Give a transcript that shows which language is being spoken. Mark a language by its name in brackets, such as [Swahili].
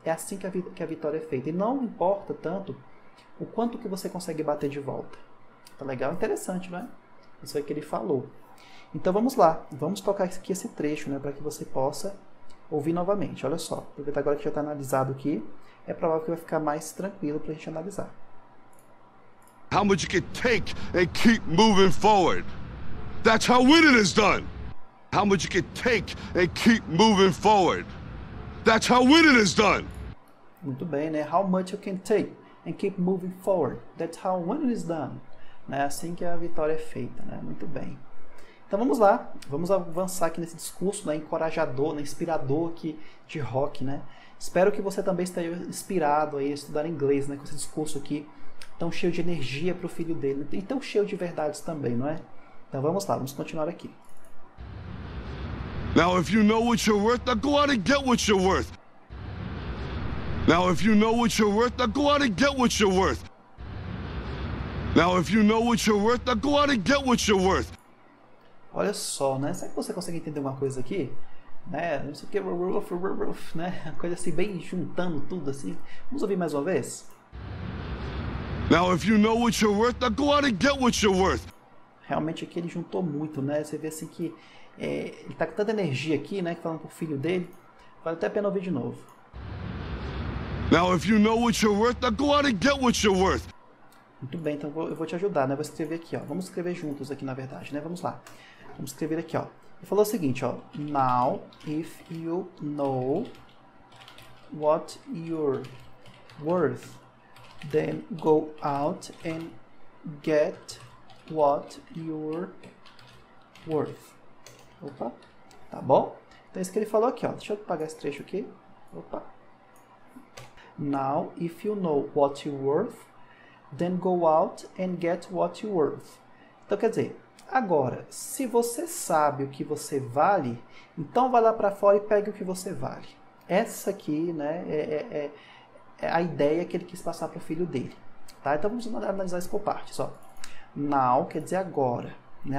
[Portuguese] É assim que a vitória é feita. E não importa tanto o quanto que você consegue bater de volta. Tá legal? Interessante, né? Isso é que ele falou. Então vamos lá, vamos tocar aqui esse trecho, né, para que você possa ouvir novamente. Olha só, aproveita agora que já está analisado aqui, é provável que vai ficar mais tranquilo para a gente analisar. [English] How much you can take and keep moving forward. That's how winning is done. How much you can take and keep moving forward. That's how winning is done. [Portuguese] Muito bem, né? [English] How much you can take and keep moving forward. That's how winning is done. [Portuguese] É assim que a vitória é feita, né? Muito bem. Então vamos lá, vamos avançar aqui nesse discurso, né? Encorajador, né? Inspirador aqui de Rock, né? Espero que você também esteja inspirado aí a estudar inglês, né? Com esse discurso aqui tão cheio de energia para o filho dele e tão cheio de verdades também, não é? Então vamos lá, vamos continuar aqui. [English] Now if you know what you're worth, then go out and get what you're worth. Now if you know what you're worth, then go out and get what you're worth. Now if you know what you're worth, then go out and get what you're worth. [Portuguese] Olha só, né? Será que você consegue entender uma coisa aqui? Né? Não sei o que, né? Coisa assim, bem juntando tudo assim. Vamos ouvir mais uma vez? [English] Now if you know what you're worth, then go out and get what you're worth. [Portuguese] Realmente aqui ele juntou muito, né? Você vê assim que ele tá com tanta energia aqui, né? Falando pro filho dele. Vale até a pena ouvir de novo. [English] Now if you know what you're worth, then go out and get what you're worth. [Portuguese] Muito bem, então eu vou te ajudar, né? Vou escrever aqui, ó. Vamos escrever juntos aqui, na verdade, né? Vamos lá. Vamos escrever aqui, ó. Ele falou o seguinte, ó. [English] Now if you know what you're worth, then go out and get what you're worth. [Portuguese] Opa, tá bom? Então é isso que ele falou aqui, ó. Deixa eu apagar esse trecho aqui. Opa. [English] Now, if you know what you're worth, then go out and get what you're worth. [Portuguese] Então quer dizer, agora, se você sabe o que você vale, então vai lá pra fora e pegue o que você vale. Essa aqui, né, é a ideia que ele quis passar pro filho dele. Tá? Então vamos analisar isso por partes, ó. Now quer dizer agora, né?